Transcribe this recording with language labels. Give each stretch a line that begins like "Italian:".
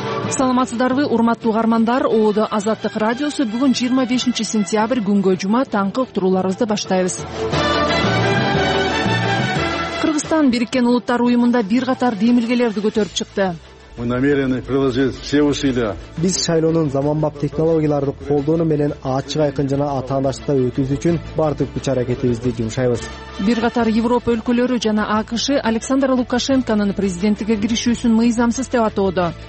Kyrgyz: Саламатсыздарбы, урматтуу угармандар, ООДО Азаттык радиосу бүгүн 25 сентябрь күнгө жума таңкы уктурууларыбызды баштайбыз. Кыргызстан Бириккен Улуттар Уюмунда бир катар демилгелерди көтөрүп чыкты.
Russian: Мы намерены приложить все усилия.
Kyrgyz: Биз шайлоонун заманбап технологияларды колдонуу менен ачык айкын жана атаандаштыкта өтүүсү үчүн бардык күч аракетибизди жумшайбыз. Бир катар Европа өлкөлөрү жана АКШ Александр Лукашенконун президенттикке киришүүсүн мыйзамсыз деп атоодо.